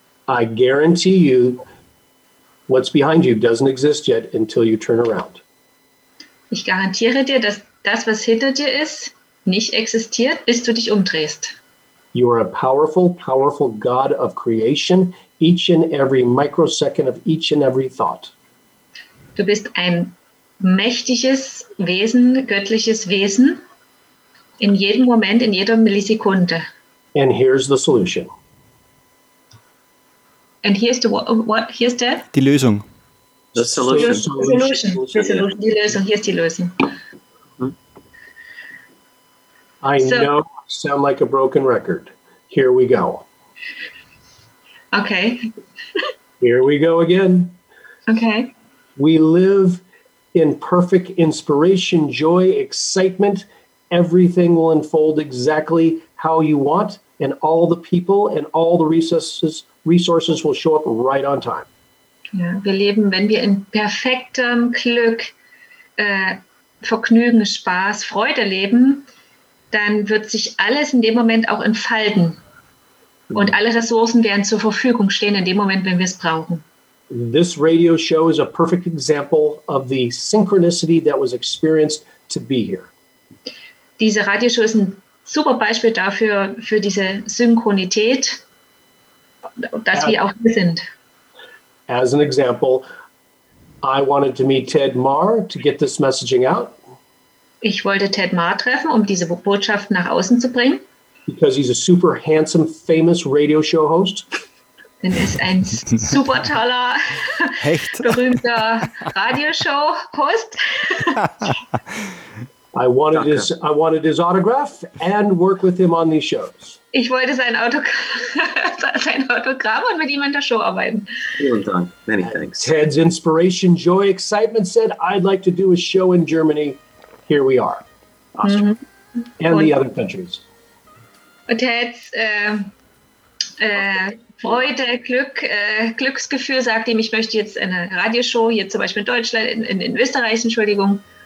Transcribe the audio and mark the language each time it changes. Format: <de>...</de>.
<en>I guarantee you, what's behind you doesn't exist yet until you turn around.</en> <de>Ich garantiere dir, dass das, was hinter dir ist, nicht existiert, bis du dich umdrehst.</de> <en>You are a powerful, powerful God of creation, each and every microsecond of each and every thought.</en> <de>Du bist ein mächtiges Wesen, göttliches Wesen, in jedem Moment, in jeder Millisekunde.</de> <en>And here's the solution. And here's the what? Here's the?</en> <de>Die Lösung.</de> <en>The solution.</en> <de>Die Lösung. Hier ist die Lösung.</de> <en>I know I sound like a broken record. Here we go. Okay. Here we go again. Okay. We live in perfect inspiration, joy, excitement. Everything will unfold exactly how you want, and all the people and all the resources will show up right on time.</en> <de>Ja, wir leben, wenn wir in perfektem Glück, Vergnügen, Spaß, Freude leben, dann wird sich alles in dem Moment auch entfalten. Und alle Ressourcen werden zur Verfügung stehen in dem Moment, wenn wir es brauchen.</de> <en>This radio show is a perfect example of the synchronicity that was experienced to be here.</en> <de>Diese Radioshow ist ein super Beispiel dafür, für diese Synchronität, dass wir auch hier sind.</de> <en>As an example, I wanted to meet Ted Marr to get this messaging out.</en> <de>Ich wollte Ted Marr treffen, um diese Botschaft nach außen zu bringen.</de> <en>Because he's a super handsome, famous radio show host.</en> <de>Denn er ist ein super toller, Hecht. Berühmter Radioshow-Host.</de> <en>I wanted his autograph and work with him on these shows.</en> <de>Ich wollte sein Autogramm und mit ihm an der Show arbeiten. Vielen Dank.</de> <en>Many thanks. Ted's inspiration, joy, excitement said, I'd like to do a show in Germany. Here we are, Austria, mm-hmm. and the other countries.</en> <de>Ted's Freude, Glück, Glücksgefühl sagt ihm, ich möchte jetzt eine Radioshow hier zum Beispiel in Deutschland, in Österreich, Entschuldigung.</de>